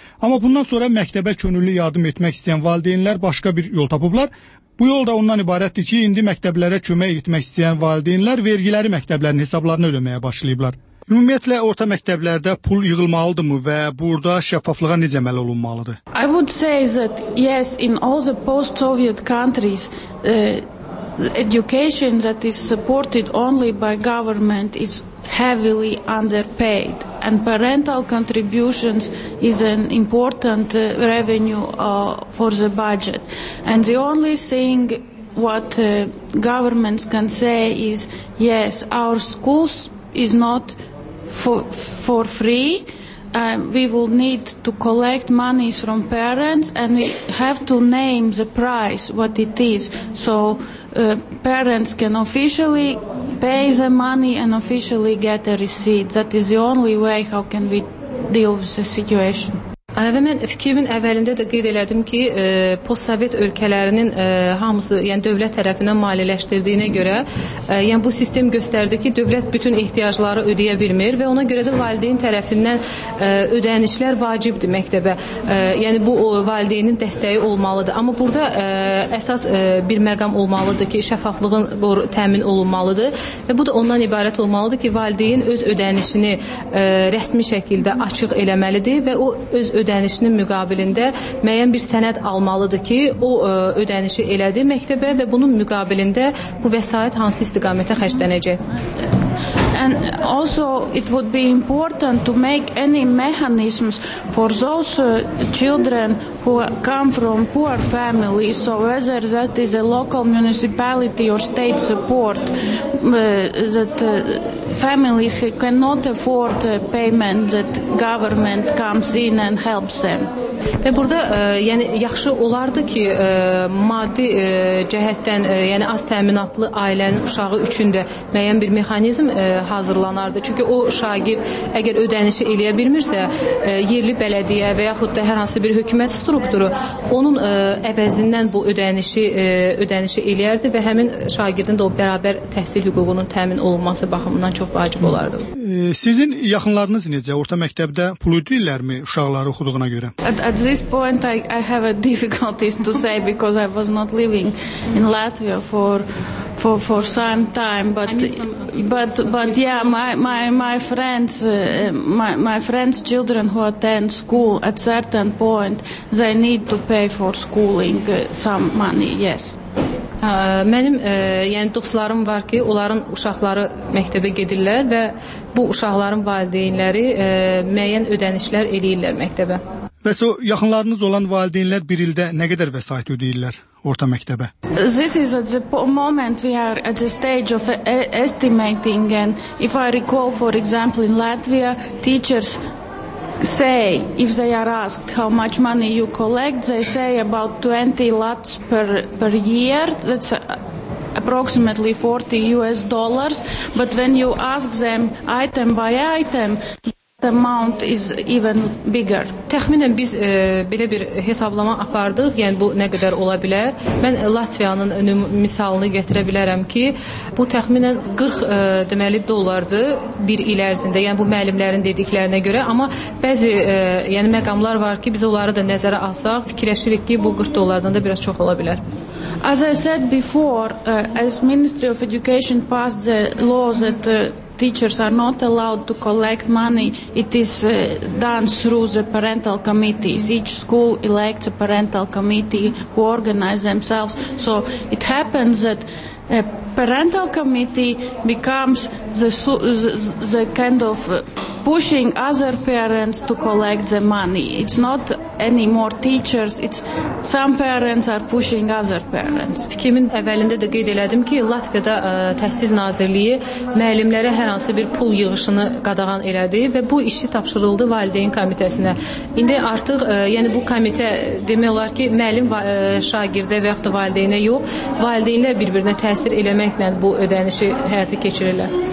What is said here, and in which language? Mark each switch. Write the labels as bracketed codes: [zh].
[az] Amma bundan sonra məktəbə könüllü yardım etmək istəyən valideynlər başqa bir yol tapıblar. Bu yol da ondan ibarətdir ki, indi məktəblərə kömək etmək istəyən valideynlər vergiləri məktəblərin hesablarını ödəməyə başlayıblar. Ümumiyyətlə, orta məktəblərdə pul yığılmalıdırmı və burada şəffaflığa necə əməl olunmalıdır? [en] I would say that, yes, in all the post-Soviet countries, education that is supported only by government is heavily underpaid and parental contributions is an important revenue for the budget and the only thing what governments can say is, yes, our schools is not for free. We will need to collect monies from parents, and we have to name the price, what it is, so parents can officially pay the money and officially get a receipt. That is the only way how can we deal with the situation. [az] Və mən fikrimin əvvəlində də qeyd elədim ki, post-sovet ölkələrinin hamısı, yəni dövlət tərəfindən maliyyələşdirdiyinə görə, yəni bu sistem göstərdi ki, dövlət bütün ehtiyacları ödəyə bilmir və ona görə də valideyn tərəfindən ödənişlər vacibdir məktəbə. Yəni bu o valideynin dəstəyi olmalıdır. Amma burada əsas bir məqam olmalıdır ki, şəffaflığın təmin olunmalıdır və bu da ondan ibarət olmalıdır ki, valideyn öz ödənişini rəsmi şəkildə açıq eləməlidir və o öz ödənişinin müqabilində müəyyən bir sənəd almalıdır ki, o ödənişi elədi məktəbə və bunun müqabilində bu vəsait hansı istiqamətə xərclənəcək. [en] And also it would be important to make any mechanisms for those children who come from poor families, so whether that is a local municipality or state support, that families cannot afford the payment that government comes in and helps them. [az] Və burada yəni yaxşı olardı ki, maddi cəhətdən yəni az təminatlı ailənin uşağı üçün də müəyyən bir mexanizm hazırlanardı. Çünki o şagird əgər ödənişi eləyə bilmirsə, yerli bələdiyyə və yaxud da hər hansı bir hökumət strukturu onun əvəzindən bu ödənişi eləyərdi və həmin şagirdin də o bərabər təhsil hüququnun təmin olunması baxımından çox vacib olardı. Sizin yaxınlarınız necə? Orta məktəbdə pul ödəyirlərmi uşaqları oxuduğuna görə? [en] At this point, I have a difficulties to say because I was not living in Latvia for some time. But yeah, my friends' children who attend school at certain point, they need to pay for schooling some money. Yes. [az] Mənim yəni dostlarım var ki, onların uşaqları məktəbə gedirlər və bu uşaqların valideynləri müəyyən ödənişlər eləyirlər məktəbə. Bəs o yaxınlarınız olan valideynlər bir ildə nə qədər vəsait ödəyirlər orta məktəbə? [en] This is at the moment we are at the stage of estimating, and if I recall, for example, in Latvia, teachers say, if they are asked how much money you collect, they say about 20 lats per year. That's approximately $40, but when you ask them item by item, the amount is even bigger. [az] Təxminən biz belə bir hesablama apardıq, yəni bu nə qədər ola bilər. Mən Latviyanın misalını gətirə bilərəm ki, bu təxminən 40 deməli dollardır bir il ərzində, yəni bu müəllimlərin dediklərinə görə, amma bəzi yəni məqamlar var ki, biz onları da nəzərə alsaq, fikirləşirik ki, bu 40 dollardan da biraz çox ola bilər. [en] As I said before, as Ministry of Education passed the law that teachers are not allowed to collect money, it is done through the parental committees. Each school elects a parental committee who organize themselves. So it happens that a parental committee becomes the kind of pushing other parents to collect the money. It's not any more teachers, it's some parents are pushing other parents. [az] Fikrimin əvvəlində də qeyd elədim ki, Latviyada Təhsil Nazirliyi müəllimlərə hər hansı bir pul yığışını qadağan elədi və bu işi tapşırıldı Valideyn Komitəsinə. İndi artıq yəni bu komitə demək olar ki, müəllim şagirdə və yaxud da valideynə yox, valideynlər bir-birinə təsir eləməklə bu ödənişi həyata keçirirlər.